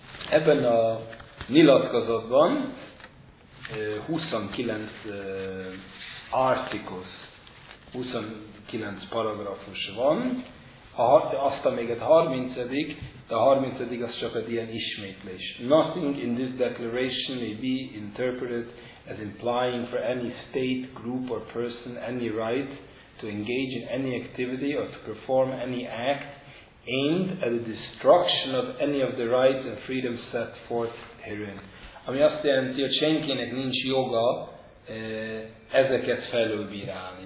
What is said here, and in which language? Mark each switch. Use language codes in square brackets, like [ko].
[hu] Ebben a nyilatkozatban 29 artikus, 29 paragrafus van, azt a még a 30-dik, de a 30-dik az csak egy ilyen ismétlés. [en] Nothing in this declaration may be interpreted as implying for any state, group or person any right to engage in any activity or to perform any act aimed at the destruction of any of the rights and freedoms set forth herein. [hu] Ami azt jelenti, hogy senkinek nincs joga ezeket felülbírálni.